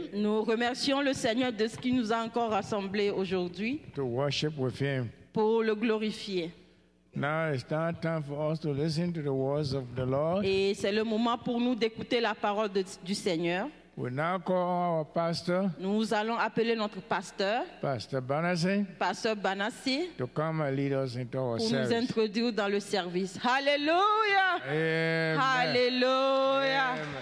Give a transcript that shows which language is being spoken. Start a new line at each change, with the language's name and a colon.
French: Nous remercions le Seigneur de ce qui nous a encore rassemblés aujourd'hui.
English: To worship with him.
French: Pour le glorifier.
English: Now it's not time for us to listen to the words of the Lord.
French: Et c'est le moment pour nous d'écouter la parole du Seigneur.
English: We now call our pastor.
French: Nous allons appeler notre pasteur.
English: Pastor Banassi.
French: Pasteur Banassi.
English: To come and lead us into our
French: pour
English: service.
French: Pour nous introduire dans le service. Hallelujah. Amen. Hallelujah.